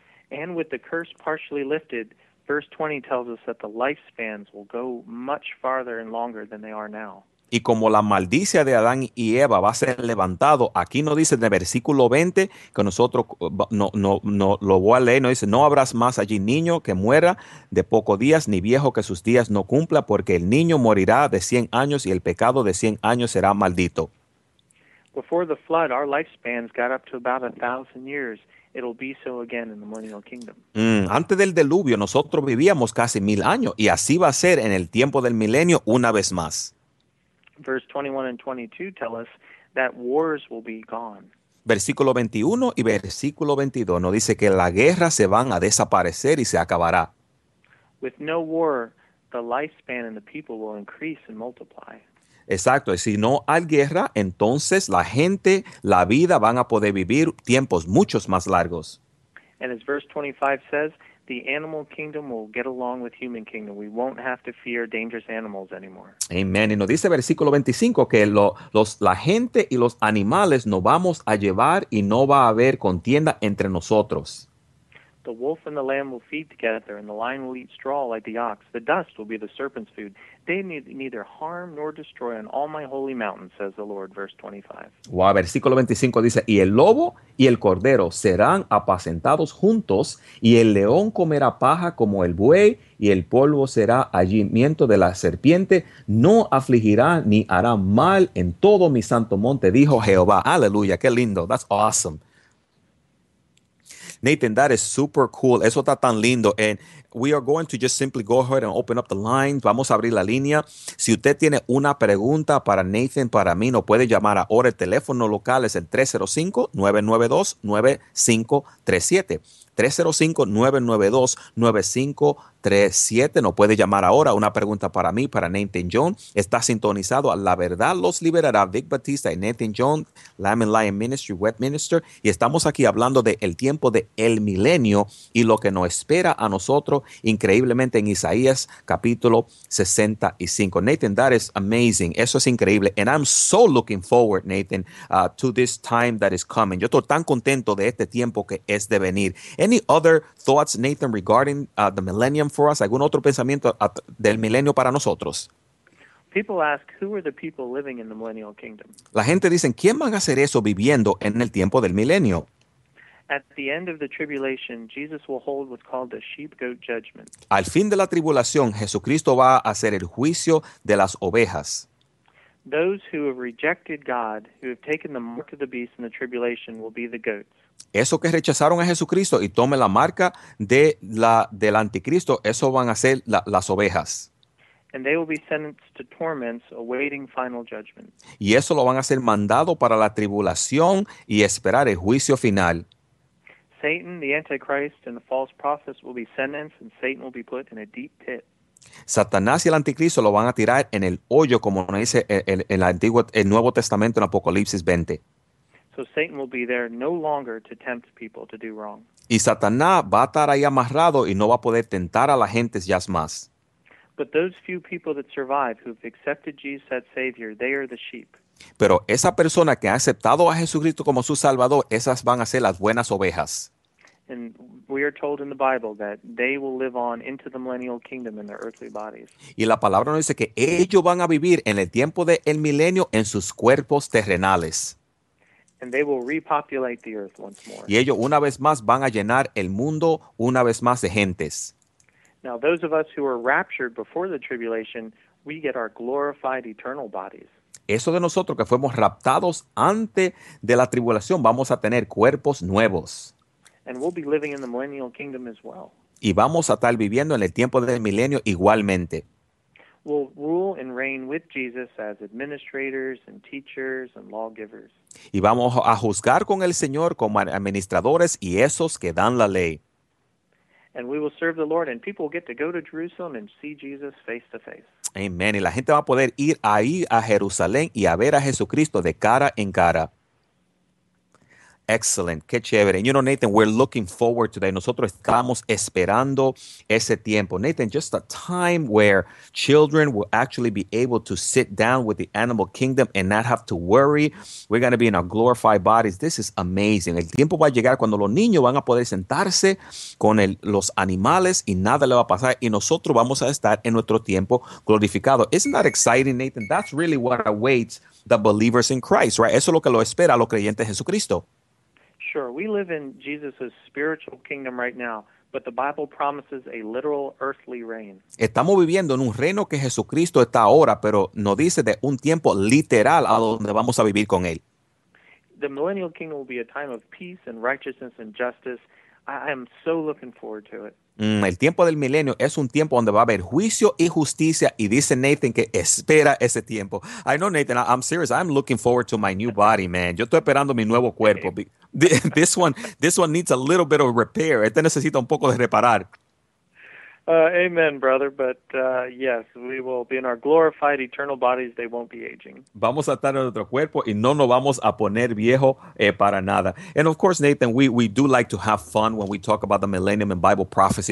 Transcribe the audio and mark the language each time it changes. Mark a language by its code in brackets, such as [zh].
[en] And with the curse partially lifted, verse 20 tells us that the lifespans will go much farther and longer than they are now. [es] Y como la maldición de Adán y Eva va a ser levantado, aquí nos dice en el versículo 20, que nosotros no lo voy a leer, nos dice, no habrás más allí niño que muera de pocos días, ni viejo que sus días no cumpla, porque el niño morirá de 100 años y el pecado de 100 años será maldito. [en] Before the flood, our lifespans got up to about 1,000 years. It'll be so again in the millennial kingdom. [es] Antes del diluvio, nosotros vivíamos casi 1,000 años, y así va a ser en el tiempo del milenio una vez más. [en] Verse 21 and 22 tell us that wars will be gone. [es] Versículo 21 y versículo 22 nos dice que las guerras se van a desaparecer y se acabará. [en] With no war, the lifespan and the people will increase and multiply. [es] Exacto, y si no hay guerra, entonces la gente, la vida van a poder vivir tiempos muchos más largos. [en] And as verse 25 says, the animal kingdom will get along with human kingdom. We won't have to fear dangerous animals anymore. Amen. [es] Y nos dice versículo 25 que la gente y los animales nos vamos a llevar y no va a haber contienda entre nosotros. [en] The wolf and the lamb will feed together and the lion will eat straw like the ox. The dust will be the serpent's food. They need neither harm nor destroy on all my holy mountain, says the Lord, verse 25. [es] Wow, versículo 25 dice, y el lobo y el cordero serán apacentados juntos, y el león comerá paja como el buey, y el polvo será allí miento de la serpiente. No afligirá ni hará mal en todo mi santo monte, dijo Jehová. Aleluya, qué lindo, [en] that's awesome. Nathan, that is super cool. [es] Eso está tan lindo. [en] And we are going to just simply go ahead and open up the lines. [es] Vamos a abrir la línea. Si usted tiene una pregunta para Nathan, para mí, nos puede llamar ahora. El teléfono local es el 305-992-9537. 305-992-9537. Nos puede llamar ahora. Una pregunta para mí, para Nathan John. Está sintonizado a La Verdad Los Liberará, Vic Batista y Nathan John, Lamb and Lion Ministry, Web Minister. Y estamos aquí hablando de el tiempo de el milenio y lo que nos espera a nosotros, increíblemente, en Isaías capítulo 65. [en] Nathan, that is amazing. [es] Eso es increíble. [en] And I'm so looking forward, Nathan, to this time that is coming. [es] Yo estoy tan contento de este tiempo que es de venir. [en] Any other thoughts, Nathan, regarding the millennium for us? [es] ¿Algún otro pensamiento del milenio para nosotros? [en] People ask, who are the people living in the millennial kingdom? [es] La gente dice, ¿quién van a hacer eso viviendo en el tiempo del milenio? [en] At the end of the tribulation, Jesus will hold what's called the sheep-goat judgment. [es] Al fin de la tribulación, Jesucristo va a hacer el juicio de las ovejas. [en] Those who have rejected God, who have taken the mark of the beast in the tribulation, will be the goats. [es] Eso que rechazaron a Jesucristo y tomen la marca del anticristo, eso van a ser las ovejas. [en] And they will be sentenced to torments awaiting final judgment. [es] Y eso lo van a ser mandado para la tribulación y esperar el juicio final. [en] Satan, the Antichrist, and the false prophets will be sentenced, and Satan will be put in a deep pit. [es] Satanás y el anticristo lo van a tirar en el hoyo, como nos dice el Nuevo Testamento en Apocalipsis 20. [en] So Satan will be there no longer to tempt people to do wrong. [es] Y Satanás va a estar ahí amarrado y no va a poder tentar a la gente ya más. [en] But those few people that survive who've accepted Jesus as Savior, they are the sheep. [es] Pero esa persona que ha aceptado a Jesucristo como su Salvador, esas van a ser las buenas ovejas. [en] And we are told in the Bible that they will live on into the millennial kingdom in their earthly bodies. [es] Y la palabra nos dice que ellos van a vivir en el tiempo del milenio en sus cuerpos terrenales. [en] And they will repopulate the earth once more. [es] Y ellos una vez más van a llenar el mundo una vez más de gentes. [en] Now those of us who are raptured before the tribulation, we get our glorified eternal bodies. [es] Eso de nosotros que fuimos raptados antes de la tribulación, vamos a tener cuerpos nuevos. [en] And we'll be living in the millennial kingdom as well. [es] Y vamos a estar viviendo en el tiempo del milenio igualmente. [en] We'll rule and reign with Jesus as administrators and teachers and lawgivers. [es] Y vamos a juzgar con el Señor como administradores y esos que dan la ley. [en] And we will serve the Lord, and people will get to go to Jerusalem and see Jesus face to face. [es] Amen. Y la gente va a poder ir ahí a Jerusalén y a ver a Jesucristo de cara en cara. [en] Excellent. [es] Qué chévere. [en] You know, Nathan, we're looking forward to that. [es] Nosotros estamos esperando ese tiempo. [en] Nathan, just a time where children will actually be able to sit down with the animal kingdom and not have to worry. We're going to be in our glorified bodies. This is amazing. [es] El tiempo va a llegar cuando los niños van a poder sentarse con los animales y nada le va a pasar. Y nosotros vamos a estar en nuestro tiempo glorificado. [en] Isn't that exciting, Nathan? That's really what awaits the believers in Christ, right? [es] Eso es lo que lo espera a los creyentes de Jesucristo. [en] Sure, we live in Jesus' spiritual kingdom right now, but the Bible promises a literal earthly reign. [es] Estamos viviendo en un reino que Jesucristo está ahora, pero nos dice de un tiempo literal a donde vamos a vivir con Él. [en] The millennial kingdom will be a time of peace and righteousness and justice. I am so looking forward to it. [es] El tiempo del milenio es un tiempo donde va a haber juicio y justicia, y dice Nathan que espera ese tiempo. [en] I know, Nathan, I'm serious. I'm looking forward to my new body, man. [es] Yo estoy esperando mi nuevo cuerpo. [en] This one needs a little bit of repair. [es] Este necesita un poco de reparar. [en] Amen, brother. But yes, we will be in our glorified eternal bodies. They won't be aging. [es] Vamos a estar en nuestro cuerpo y no nos vamos a poner viejo para nada. [en] And of course, Nathan, we do like to have fun when we talk about the millennium and Bible prophecy.